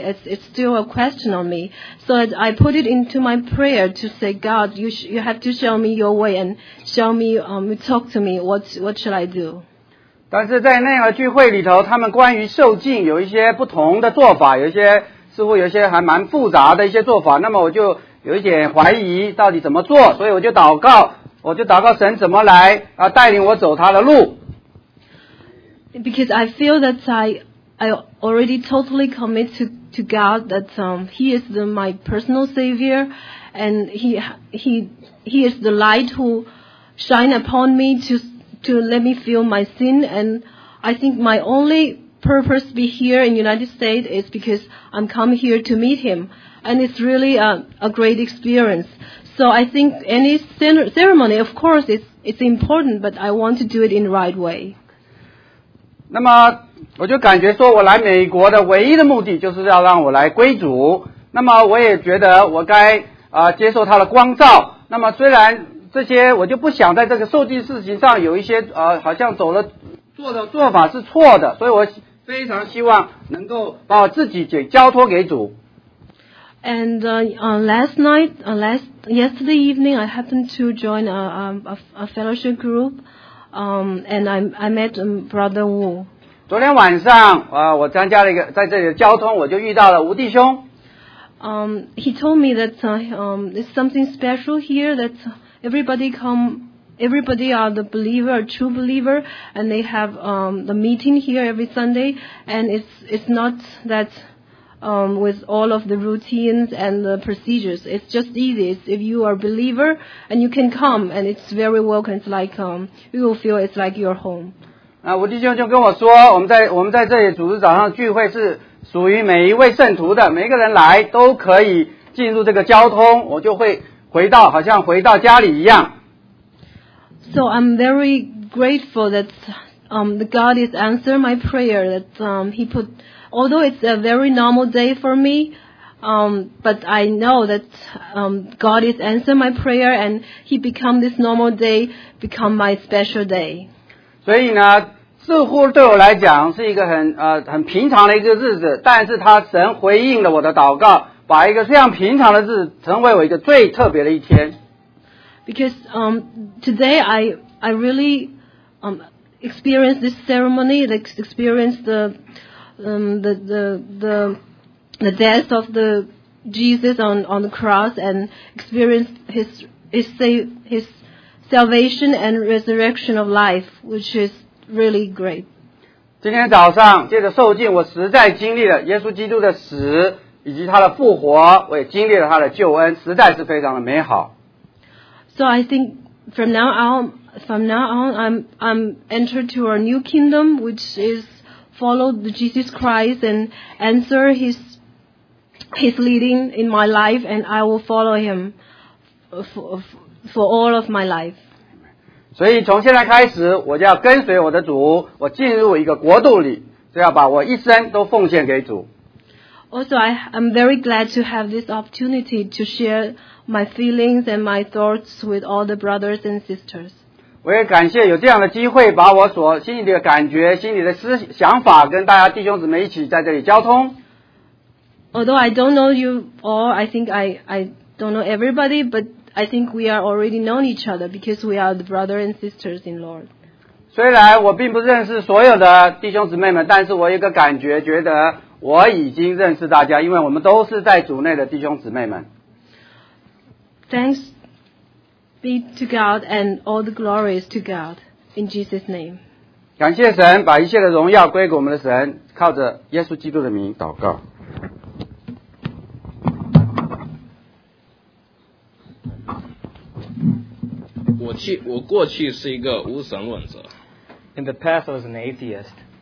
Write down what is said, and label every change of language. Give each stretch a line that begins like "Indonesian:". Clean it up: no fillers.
English: It's still a question on me. So I put it into my prayer to say God, you have to show me your way and show me talk to me what should I do?
Chinese: 但是在那个聚会里头他们关于受浸有一些不同的做法有一些似乎有一些还蛮复杂的一些做法那么我就有一点怀疑到底怎么做所以我就祷告神怎么来带领我走他的路。
English: Because I feel that I already totally commit to God that He is my personal savior, and he is the light who shine upon me to let me feel my sin. And I think my only purpose to be here in the United States is because I'm come here to meet him. And it's really a great experience. So I think any ceremony, of course, it's important, but I want to do it in the right way.
Chinese: 那么我就感觉说我来美国的唯一的目的就是要让我来归主。那么我也觉得我该接受他的光照。那么虽然这些我就不想在这个受敬事情上有一些好像走了做的做法是错的，所以我非常希望能够把我自己交托给主。
English: And last night, yesterday evening, I happened to join a fellowship group, and I met Brother Wu.
Chinese: 昨天晚上，我参加了一个在这里的交通，我就遇到了吴弟兄。
English: He told me that it's something special here that everybody are the believer, a true believer, and they have the meeting here every Sunday, and it's not that. With all of the routines and the procedures. It's just easy. It's if you are a believer and you can come and it's very welcome. It's like, you will feel it's like your home.
Chinese: 那吴弟兄就跟我说，我们在这里主日早上聚会是属于每一位圣徒的，每一个人来都可以进入这个交通，我就会回到好像回到家里一样。
English: So I'm very grateful that, the God has answered my prayer that, he put Although it's a very normal day for me, but I know that God is answering my prayer and He become this normal day, become my special day.
Chinese: 所以呢，似乎对我来讲是一个很平常的一个日子，但是他神回应了我的祷告，把一个非常平常的日子成为我一个最特别的一天。
English: Because today I really experienced this ceremony, experienced the death of the Jesus on the cross and experienced his salvation and resurrection of life, which is really great.
Chinese: 今天早上借着受浸，我实在经历了耶稣基督的死以及他的复活，我也经历了他的救恩，实在是非常的美好。
English: So I think from now on, I'm entered to our new kingdom, which is. Follow Jesus Christ and answer his leading in my life, and I will follow him for all of my life.
Chinese: 所以从现在开始，我就要跟随我的主，我进入一个国度里，就要把我一生都奉献给主。
English: Also, I'm very glad to have this opportunity to share my feelings and my thoughts with all the brothers and sisters.
Chinese: 我也感谢有这样的机会把我所心里的感觉心里的思想法跟大家弟兄姊妹一起在这里交通。
English: Although I don't know you all, I think I don't know everybody, but I think we are already known each other because we are the brother and sisters in Lord.
Chinese: 虽然我并不认识所有的弟兄姊妹们，但是我有一个感觉觉得我已经认识大家，因为我们都是在主内的弟兄姊妹们。
English: Thanks. Be to God and all the glories to God in Jesus' name.
Chinese: 感谢神，把一切的荣耀归给我们的神，靠着耶稣基督的名祷告。我过去是一个无神论者。
English: In the past, I was an atheist.